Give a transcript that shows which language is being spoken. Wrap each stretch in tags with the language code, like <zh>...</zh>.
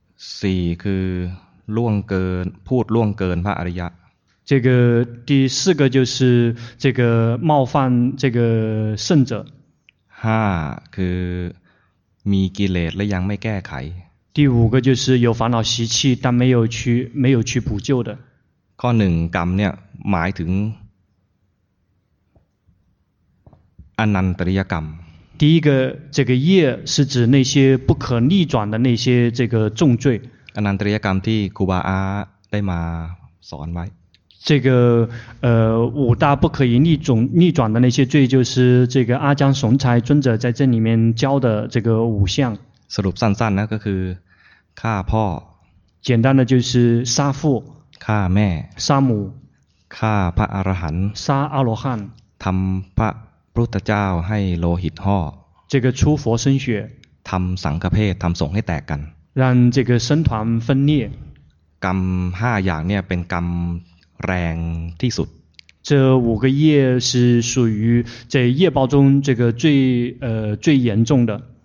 <th>สี่คือล่วงเกินพูดล่วงเกินพระอริยะ</th> <zh>这个第四个就是这个冒犯这个圣者</zh> <th>ห้าคือมีกิเลสและยังไม่แก้ไข</th> <zh>第五个就是有烦恼习气，但没有去补救的。</zh> <th>ข้อหนึ่งกรรมเนี่ยหมายถึงอนันตริยกรรม。</th> <zh>第一个这个业是指那些不可逆转的那些这个重罪。</zh> <th>อนันตริยกรรมที่ครูบาอาได้มาสอนไว้。</th> <zh>这个五大不可以逆转的那些罪，就是这个阿姜雄才尊者在这里面教的这个五项。</zh> <th>สรุปสั้นๆนะก็คือฆ่าพ่อ</th> <zh>简单的就是杀父</zh> <th>ฆ่าแม่</th> <zh>杀母</zh> <th>ฆ่าพระอรหันต์</th> <zh>杀阿罗汉</zh> <th>ทำพระพุทธเจ้าให้โลหิตห่อ</th> <zh>这个出佛生血</zh> <th>ทำสังฆเภททำสงฆ์ให้แตกกัน</th> <zh>让这个僧团分裂</zh> <th>กรรม5อย่างเนี่ยเป็นกรรมแรงที่สุด</th> <zh>这五个业是属于这业报中这个最最严重的</zh>